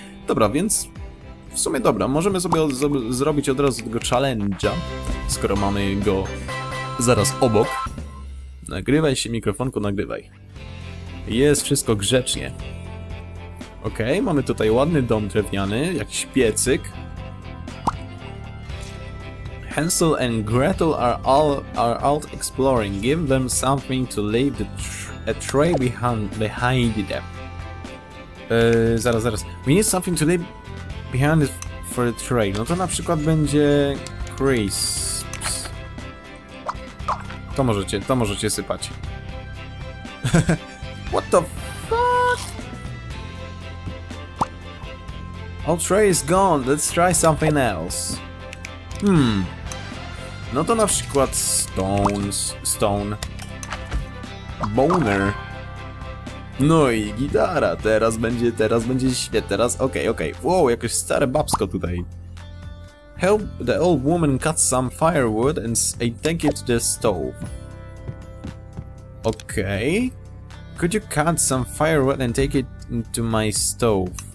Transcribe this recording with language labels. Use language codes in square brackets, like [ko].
[pl] Dobra, więc w sumie dobra, możemy sobie zrobić od razu tego challenge'a, skoro mamy go zaraz obok. Nagrywaj się, mikrofonku, nagrywaj. Jest wszystko grzecznie. Okej, mamy tutaj ładny dom drewniany, jakiś piecyk. [en] Hansel and Gretel are out exploring. Give them something to leave a tray behind them. [pl] Zaraz. [en] We need something to leave behind it for a tray. [pl] No to na przykład będzie crisps. To możecie sypać. [en] What the fuck? Our tray is gone. Let's try something else. [pl] No to na przykład stone. Boner. No i gitara, teraz będzie świetnie, teraz, okej. Wow, jakieś stare babsko tutaj. [en] Help the old woman cut some firewood and I take it to the stove. Okej. Okay. Could you cut some firewood and take it to my stove?